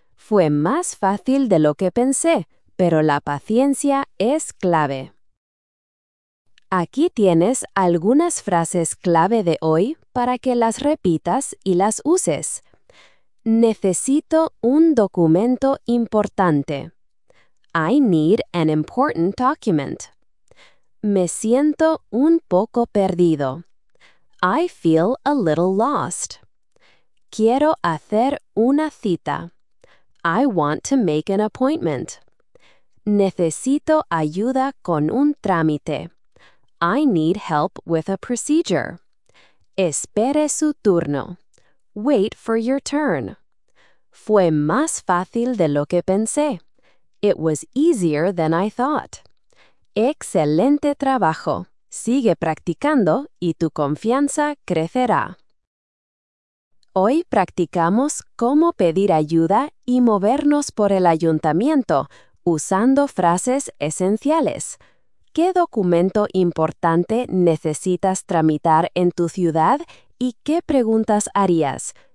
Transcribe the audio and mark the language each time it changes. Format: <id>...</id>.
<es>Fue más fácil de lo que pensé, pero la paciencia es clave. Aquí tienes algunas frases clave de hoy para que las repitas y las uses. Necesito un documento importante.</es> <en>I need an important document.</en> <es>Me siento un poco perdido.</es> <en>I feel a little lost.</en> <es>Quiero hacer una cita.</es> <en>I want to make an appointment.</en> <es>Necesito ayuda con un trámite.</es> <en>I need help with a procedure.</en> <es>Espere su turno.</es> <en>Wait for your turn.</en> <es>Fue más fácil de lo que pensé.</es> <en>It was easier than I thought.</en> <es>Excelente trabajo. Sigue practicando y tu confianza crecerá. Hoy practicamos cómo pedir ayuda y movernos por el ayuntamiento usando frases esenciales. ¿Qué documento importante necesitas tramitar en tu ciudad y qué preguntas harías?</es>